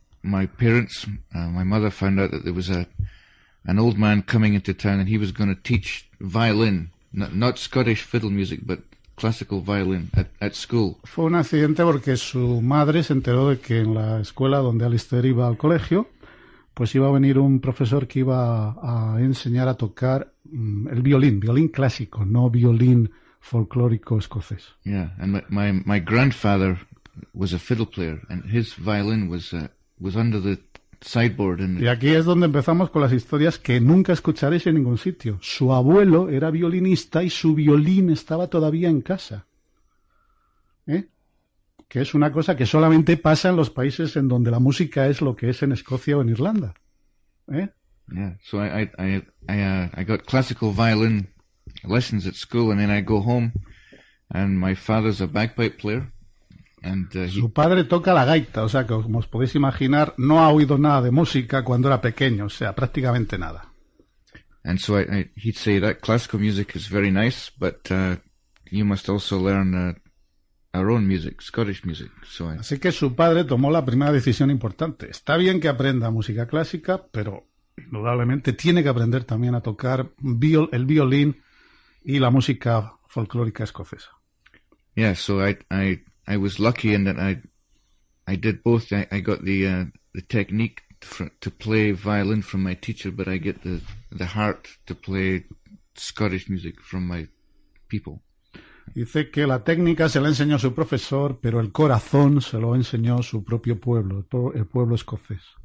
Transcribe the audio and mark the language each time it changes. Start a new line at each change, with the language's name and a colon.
English: my parents, my mother found out that there was an old man coming into town, and he was going to teach violin, not Scottish fiddle music, but classical violin at school.
Spanish: Fue un accidente porque su madre se enteró de que en la escuela donde Alistair iba al colegio, pues iba a venir un profesor que iba a enseñar a tocar el violín, violín clásico, no violín folclórico escocés.
English: Yeah, and my grandfather was a fiddle player, and his violin was under the sideboard. And
Spanish: y aquí es donde empezamos con las historias que nunca escucharéis en ningún sitio. Su abuelo era violinista y su violín estaba todavía en casa. ¿Eh? Que es una cosa que solamente pasa en los países en donde la música es lo que es en Escocia o en Irlanda. ¿Eh?
English: Yeah, so I got classical violin lessons at school, and then I go home, and my father's a bagpipe player.
Spanish: Su padre toca la gaita, o sea, que como os podéis imaginar, no ha oído nada de música cuando era pequeño, o sea, prácticamente nada.
English: And so he'd say that classical music is very nice, but you must also learn our own music, Scottish music.
Spanish: Así que su padre tomó la primera decisión importante. Está bien que aprenda música clásica, pero indudablemente tiene que aprender también a tocar el violín y la música folclórica escocesa.
English: Yeah, so I was lucky in that I did both. I got the technique to play violin from my teacher, but I get the heart to play Scottish music from my people.
Spanish: Dice que la técnica se la enseñó su profesor, pero el corazón se lo enseñó su propio pueblo, el pueblo escocés.